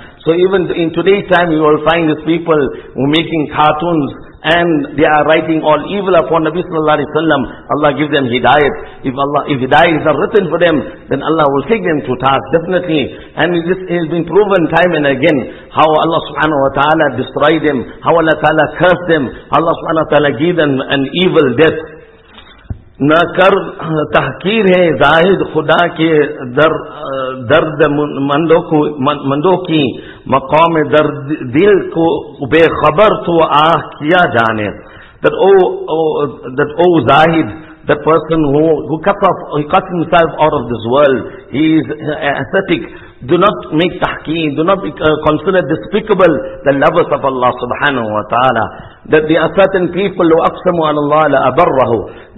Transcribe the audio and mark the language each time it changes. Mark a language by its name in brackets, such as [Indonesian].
[English] So even in today's time, you will find these people who are making cartoons and they are writing all evil upon Nabi sallallahu alayhi wa sallam. Allah give them hidayat. If hidayat is not written for them, then Allah will take them to task, definitely. And this has been proven time and again, how Allah subhanahu wa ta'ala destroyed them, how Allah ta'ala cursed them, Allah subhanahu wa ta'ala gave them an evil death. [Urdu] نہ کر تحقیر ہے زاہد خدا کے درد مندوں کی مقام درد دل کو بے خبر تو آہ کیا جانے. [English] That زاہد, the person who cuts himself out of this world, he is ascetic. Do not make tahkeen, do not consider despicable the lovers of Allah subhanahu wa ta'ala. That there are certain people who [Arabic] aqsamu ala Allah la abarrahu.